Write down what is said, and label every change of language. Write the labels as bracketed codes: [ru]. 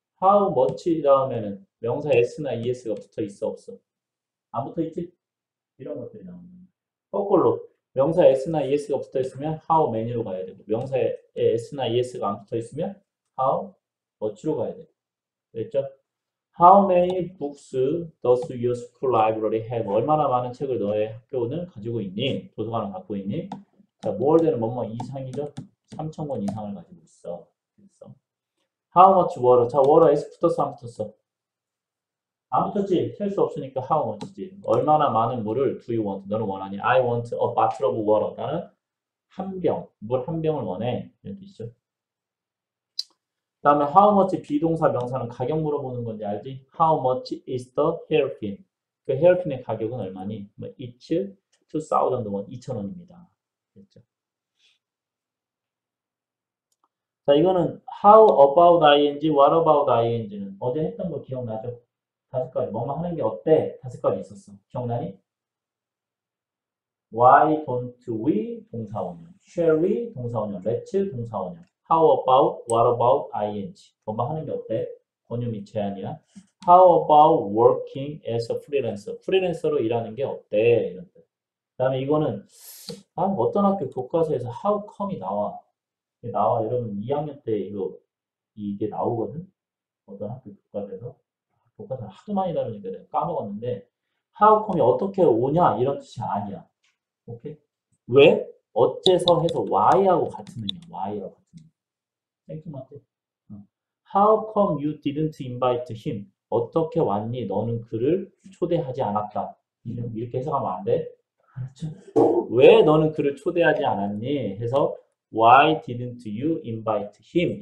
[ko] how much 다음에는 명사에 S나 ES가 붙어 있어, 없어? 안 붙어 있지? 이런 것들이 나오는 거야. 거꾸로. 명사 S나 ES가 붙어 있으면 how many로 가야 되고, 명사에 S나 ES가 안 붙어 있으면 how much로 가야 되고. 그랬죠? [en] How many books does your school library have? [ko] 얼마나 많은 책을 너의 학교는 가지고 있니? 도서관은 갖고 있니? 자, more than 뭐뭐 이상이죠? 3,000권 이상을 가지고 있어. 그래서 how much water? 자, water S 붙었어, 안 붙었어? 안 붙었지? 셀수 없으니까 how much지. 얼마나 많은 물을 [en] do you want? [ko] 너는 원하니? [en] I want a bottle of water. [ko] 나는 한 병, 물한 병을 원해. 이런 뜻이죠. 다음에 how much 비동사 명사는 가격 물어보는 건지 알지? [en] How much is the hairpin? [ko] 그 hairpin의 가격은 얼마니? 뭐, [en] it's 2,000 won, [ko] 2,000원입니다. 그렇죠? 자, 이거는 how about ing, what about ing는 어제 했던 거 기억나죠? 다섯 가지. 뭐뭐 하는 게 어때? 다섯 가지 있었어. 기억나니? [en] Why don't we 동사원형? Shall we 동사원형? Let's 동사원형. How about, what about ing? [ko] 뭐뭐 하는 게 어때? 권유 및 제안이야. [en] How about working as a freelancer? [ko] 프리랜서로 일하는 게 어때? 이런 거. 그다음에 이거는 어떤 학교 교과서에서 how come이 나와? 이게 나와. 여러분 2학년 때 이거 이게 나오거든. 어떤 학교 교과서에서 교과서를 하도 많이 다루니까 내가 까먹었는데 how come이 어떻게 오냐 이런 뜻이 아니야. 오케이? 왜? 어째서 해서 why하고 같은 의미야. why하고 같은 의미. 땡큐 마크. [en] How come you didn't invite him? [ko] 어떻게 왔니? 너는 그를 초대하지 않았다. 이렇게 해석하면 안 돼. 왜 너는 그를 초대하지 않았니? 해서 [en] why didn't you invite him?